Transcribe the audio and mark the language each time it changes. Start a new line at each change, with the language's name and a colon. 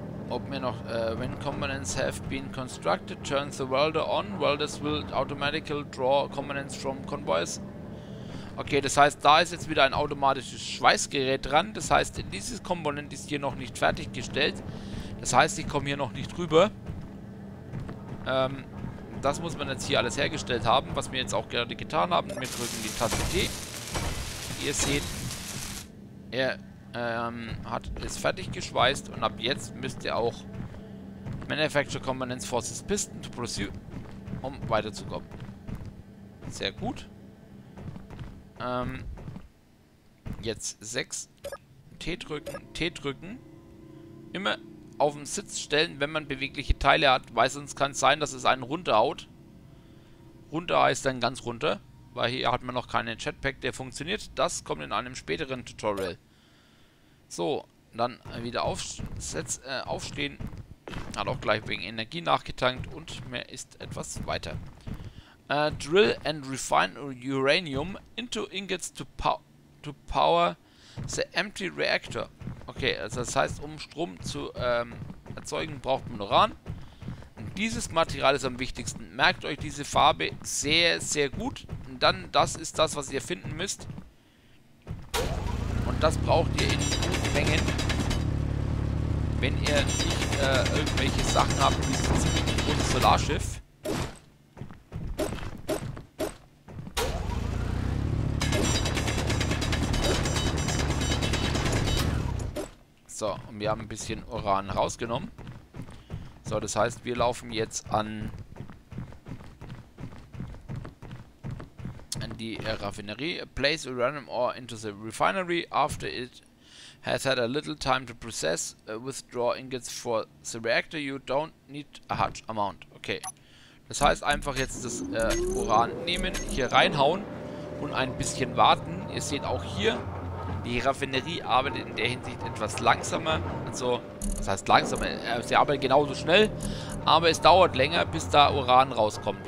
German: Ob mir noch,
English: when components have been constructed, turn the welder on. Welders will automatically draw components from convoys.
German: Okay, das heißt, da ist jetzt wieder ein automatisches Schweißgerät dran. Das heißt, dieses Komponent ist hier noch nicht fertiggestellt. Das heißt, ich komme hier noch nicht rüber. Das muss man jetzt hier alles hergestellt haben, was wir jetzt auch gerade getan haben. Wir drücken die Taste T. Ihr seht, er... hat es fertig geschweißt und ab jetzt müsst ihr auch
English: Manufacture Components Forces Piston to produce,
German: um weiterzukommen. Sehr gut. Jetzt 6 T drücken, T drücken. Immer auf dem Sitz stellen, wenn man bewegliche Teile hat, weil sonst kann es sein, dass es einen runterhaut. Runter heißt dann ganz runter, weil hier hat man noch keinen Jetpack, der funktioniert. Das kommt in einem späteren Tutorial. So, dann wieder aufstehen. Hat auch gleich wegen Energie nachgetankt und mehr ist etwas weiter.
English: Drill and refine uranium into ingots to power the empty reactor.
German: Okay, also das heißt, um Strom zu erzeugen, braucht man Uran. Und dieses Material ist am wichtigsten. Merkt euch diese Farbe sehr, sehr gut. Und dann, das ist das, was ihr finden müsst. Und das braucht ihr in... Hängen, wenn ihr nicht irgendwelche Sachen habt, wie so ein großes Solarschiff. So, und wir haben ein bisschen Uran rausgenommen. So, das heißt, wir laufen jetzt an die Raffinerie.
English: Place uranium ore into the refinery after it has had a little time to process, withdraw ingots for the reactor, you don't need a large amount. Okay.
German: Das heißt, einfach jetzt das Uran nehmen, hier reinhauen und ein bisschen warten. Ihr seht auch hier, Die Raffinerie arbeitet in der Hinsicht etwas langsamer. Also, das heißt langsamer. Sie arbeitet genauso schnell. Aber es dauert länger, bis da Uran rauskommt.